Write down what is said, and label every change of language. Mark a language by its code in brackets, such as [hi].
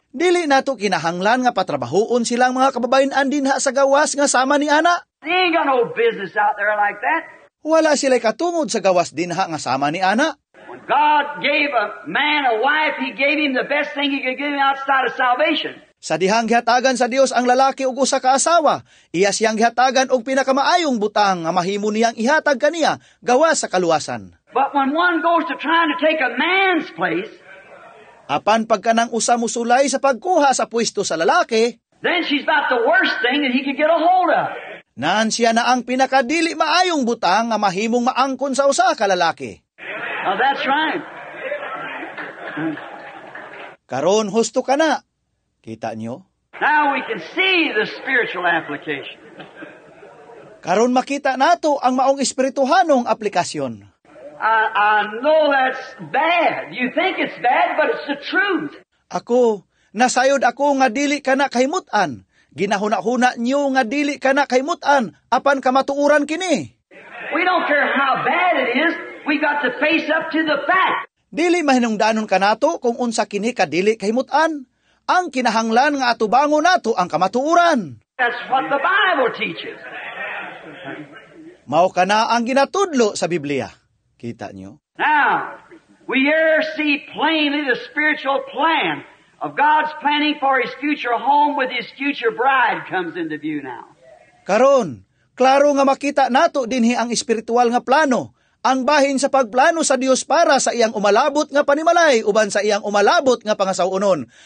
[ceb] Dili nato kinahanglan nga patrabahoon silang mga kababayenan dinha sa gawas nga sama ni ana. [en] They ain't got no business out there like that. [ceb] Wala sila'y katungod sa gawas dinha nga sama ni ana. [en] When God gave a man a wife, He gave him the best thing He could give him outside of salvation. [ceb] Sa dihang gihatagan sa Dios ang lalaki ug usa ka asawa, iya siyang gihatagan og pinakamaayong butang nga mahimo niyang ihatag kaniya gawas sa kaluwasan. [en] But when one goes to trying to take a man's place, [ceb] apan pagkanang usa musulay sa pagkuha sa puesto sa lalaki, [en] then she's about the worst thing that he could get a hold of. [ceb] Naan siya na ang pinakadili maayong butang na mahimong maangkon sa usa ka lalaki. [en] Oh, that's right. [ceb] Karon, husto ka na. Kita nyo? [en] Now we can see the spiritual application. [ceb] Karon, makita nato ang maong espirituhanong aplikasyon. [en] I know that's bad. You think it's bad, but it's the truth. [ceb] Ako, nasayod ako nga dili ka na kahimutan. Ginahuna-huna nyo nga dili ka na kahimutan, apan kamatuuran kini. [en] We don't care how bad it is, we got to face up to the fact. [ceb] Dili mahinungdanon ka nato kung unsa kini ka dili kahimutan. Ang kinahanglan nga atubango nato ang kamatuuran. [en] That's what the Bible teaches. [ceb] Mao ka na ang ginatudlo sa Biblia. Kita nyo? [en] Now, we here see plainly the spiritual plan of God's planning for His future home with His future bride comes into view now. [ceb] Karon, klaro nga makita nato dinhi ang espiritual nga plano, ang bahin sa pagplano sa Dios para sa iyang umalabot nga panimalay uban sa iyang umalabot nga pangasaw-unon.